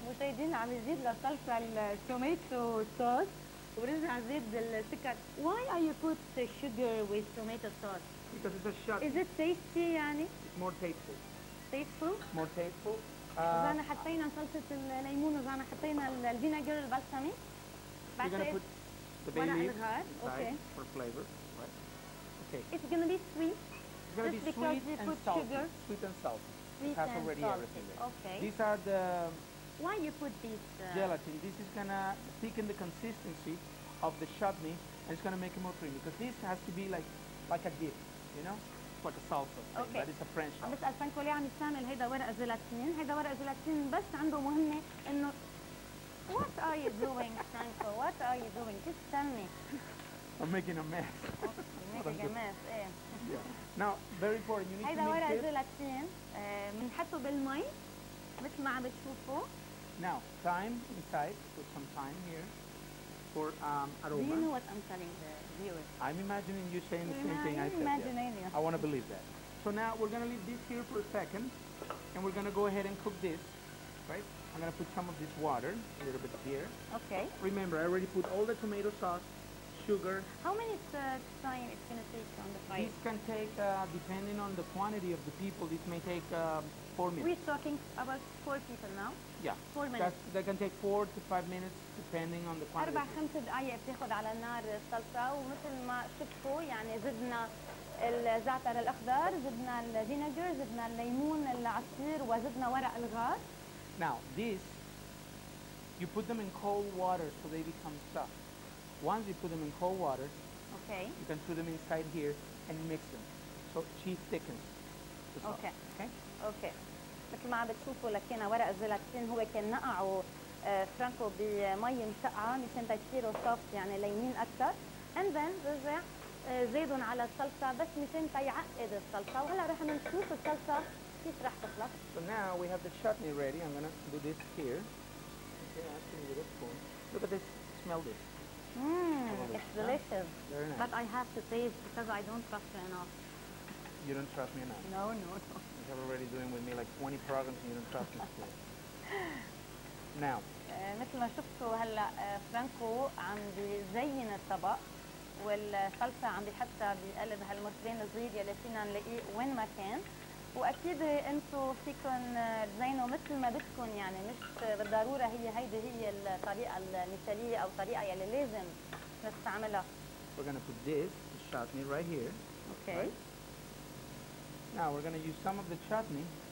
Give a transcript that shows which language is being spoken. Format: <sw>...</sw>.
<ar>مشاهدين عم يزيد للصلصة التوميتو صوص ورجع زيد السكر.</ar> <en>Why are you put sugar with tomato sauce? Because it's a shot. Is it tasty يعني? It's more tasteful. Tasteful? More tasteful.</en> <ar>إذا أنا حطينا صلصة الليمون وإذا أنا حطينا الفينيجر البلسمي.</ar> <en>You're gonna put the bay leaf inside for flavor, right? Okay. It's gonna be sweet. It's going to be sweet and salty. Sweet and salty. It has already everything there. Okay. These are the Why you put this gelatin? This is gonna thicken the consistency of the chutney, and it's gonna make it more creamy. Because this has to be like a dip, you know, like a salsa. Thing, okay. But it's a French.</en> <ar>بس عشان كل يعني استعمل هيدا ورق جيلاتين. هيدا ورق جيلاتين بس عنده مهمة إنه</ar> <en>what are you doing, Franco? What are you doing? Just tell me. I'm making a mess. Okay, making a mess. Yeah. Now, very important, you need to mix this.</en> <ar>جيلاتين بنحطه بالماء مثل ما عم بتشوفوا.</ar> <en>Now, time inside, put some time here for aroma. Do you know what I'm telling the viewers? I'm imagining you saying the same thing I said. Yeah. I want to believe that. So now we're going to leave this here for a second, and we're going to go ahead and cook this, right? I'm going to put some of this water, a little bit here. Okay. Remember, I already put all the tomato sauce, sugar. How many time it's going to take on the fire? This can take, depending on the quantity of the people, this may take 4 minutes. We're talking about 4 people now? Yeah. 4 minutes. That can take 4 to 5 minutes depending on the quantity. 4-5 minutes</en> <ar>بتاخد على النار الصلصة ومثل ما شفتوا يعني زدنا الزعتر الأخضر, زدنا الفينيجر, زدنا الليمون العصير وزدنا ورق الغار.</ar> <en>Now, this, you put them in cold water so they become soft. Once you put them in cold water, okay, you can put them inside here and mix them. So cheese thickens. Okay. Okay.</en> <ar>مثل ما عم بتشوفوا لكينا ورق الجيلاتين هو كان نقعه فرانكو بمي مسقعة مشان تصيروا صافت يعني لينين أكثر.</ar> <en>And then</en> <ar>رجع زيدهم على الصلصة بس مشان تيعقد الصلصة. وهلا رح نشوف الصلصة كيف رح تخلص.</ar> <en>So now we have the chutney ready. I'm gonna do this here. Okay, look at this. Smell this. It's delicious. Very nice. But I have to taste because I don't trust you enough. You don't trust me enough? No, no, no. You're already doing with me like 20 programs and you don't trust me still. Now.</en> <ar>مثل ما شفتوا هلا فرانكو عم بزين الطبق والصلصة عم بحطها بقلب هالمرتبين الصغير يلي فينا نلاقيه وين ما كان. واكيد انتم فيكم تزينوا مثل ما بدكم يعني مش بالضروره هيدي هي الطريقه المثاليه او الطريقه يلي لازم نستعملها.</ar> <en>We're gonna put this the chutney right here. Okay. Right? Now we're gonna use some of the chutney.</en>